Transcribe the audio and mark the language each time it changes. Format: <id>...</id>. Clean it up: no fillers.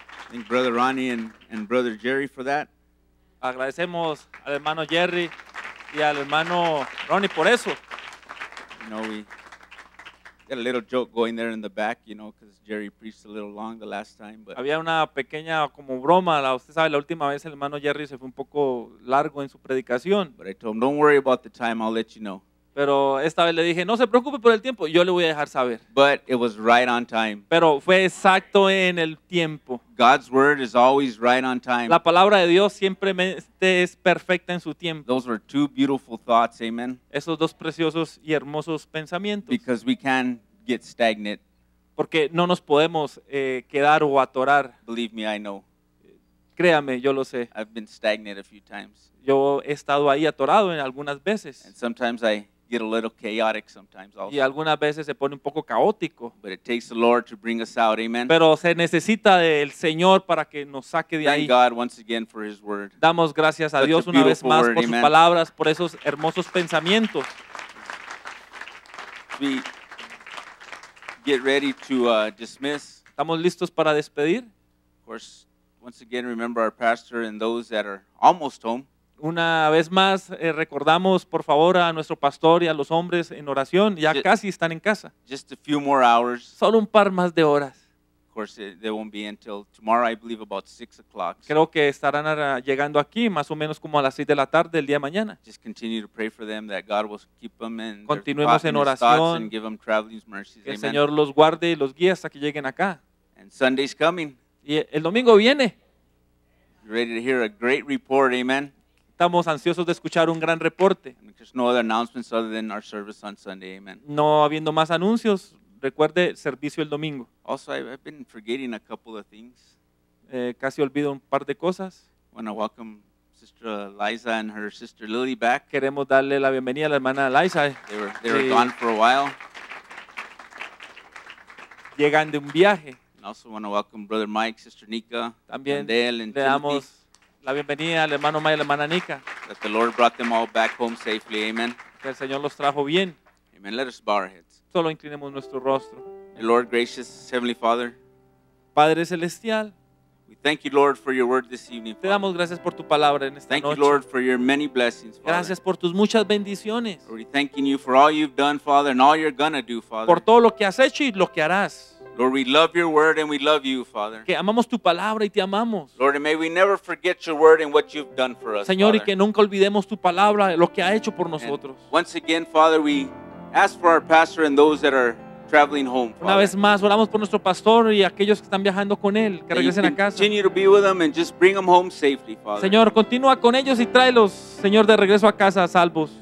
<en>Thank Brother Ronnie and Brother Jerry for that.</en> <es>Agradecemos al hermano Jerry y al hermano Ronnie por eso.</es> <en>You know, we got a little joke going there in the back, you know, because Jerry preached a little long the last time. But</en> <es>había una pequeña como broma, usted sabe, la última vez el hermano Jerry se fue un poco largo en su predicación.</es> <en>But I told him, don't worry about the time, I'll let you know.</en> <es>Pero esta vez le dije, no se preocupe por el tiempo, yo le voy a dejar saber.</es> <en>But it was right on time.</en> <es>Pero fue exacto en el tiempo.</es> <en>God's word is always right on time.</en> <es>La palabra de Dios siempre es perfecta en su tiempo.</es> <en>Those were two beautiful thoughts, amen.</en> <es>Esos dos preciosos y hermosos pensamientos.</es> <en>Because we can get stagnant.</en> <es>Porque no nos podemos quedar o atorar.</es> <en>Believe me, I know.</en> <es>Créame, yo lo sé.</es> <en>I've been stagnant a few times.</en> <es>Yo he estado ahí atorado en algunas veces.</es> <en>And sometimes I get a little chaotic sometimes also.</en> <es>Y algunas veces se pone un poco caótico.</es> <en>But it takes the Lord to bring us out, amen.</en> <es>Pero se necesita del Señor para que nos saque de</es> <en>Thank</en> <es>ahí.</es> <en>Thank God once again for His word.</en> <es>Damos gracias</es> <en>Such</en> <es>a Dios</es> <en>a</en> <es>una vez más</es> <en>word,</en> <es>por</es> <en>amen.</en> <es>Sus palabras, por esos hermosos pensamientos.</es> <en>We get ready to dismiss.</en> <es>¿Estamos listos para despedir?</es> <en>Of course, once again remember our pastor and those that are almost home.</en> <es>Una vez más recordamos por favor a nuestro pastor y a los hombres en oración, ya casi están en casa.</es> <en>Just a few more hours.</en> <es>Solo un par más de horas.</es> <en>Of course, they won't be until tomorrow, I believe, about 6 o'clock.</en> <es>Creo que estarán llegando aquí más o menos como a las 6 de la tarde el día de mañana.</es> <en>Just continue to pray for them that God will keep them and</en> <es>continuemos en oración.</es> <en>And give them traveling's mercies.</en> <es>Que el Señor los guarde y los guíe hasta que lleguen acá.</es> <en>And Sunday's coming.</en> <es>Y el domingo viene.</es> <en>You're ready to hear a great report, amen.</en> <es>Estamos ansiosos de escuchar un gran reporte.</es> <en>No other announcements other than our service on Sunday, amen.</en> <es>No habiendo más anuncios, recuerde servicio el domingo.</es> <en>Also, I've been forgetting a couple of things.</en> <es>Casi olvido un par de cosas.</es> <en>Want to welcome Sister Liza and her sister Lily back.</en> <es>Queremos darle la bienvenida a la hermana Liza.</es> <en>They were gone for a while.</en> <es>Llegan de un viaje.</es> <en>And also want to welcome Brother Mike, Sister Nika,</en> <es>también</es> <en>and Dale and</en> <es>le Damos la bienvenida al hermano Maya y la hermana Nika.</es> <en>That the Lord brought them all back home safely, amen.</en> <es>Que el Señor los trajo bien.</es> <en>Amen, let us bow our heads.</en> <es>Solo inclinemos nuestro rostro.</es> <en>The Lord gracious, Heavenly Father.</en> <es>Padre Celestial.</es> <en>We thank you, Lord, for your word this evening, Father.</en> <es>Te damos gracias por tu palabra en esta</es> <en>thank</en> <es>noche.</es> <en>Thank you, Lord, for your many blessings, Father.</en> <es>Gracias por tus muchas bendiciones.</es> <en>Lord, we're thanking you for all you've done, Father, and all you're gonna do, Father.</en> <es>Por todo lo que has hecho y lo que harás.</es> <en>Lord, we love your word and we love you, Father.</en> <es>Que amamos tu palabra y te amamos.</es> <en>Lord, and may we never forget your word and what you've done for us,</en> <es>Señor,</es> <en>Father.</en> <es>Y que nunca olvidemos tu palabra, lo que ha hecho por nosotros.</es> <en>And once again, Father, we ask for our pastor and those that are traveling home, Father.</en> <es>Una vez más, oramos por nuestro pastor y aquellos que están viajando con él, que regresen a casa.</es> <en>Continue to be with them and just bring them home safely, Father.</en> <es>Señor, continúa con ellos y tráelos, Señor, de regreso a casa, salvos.</es>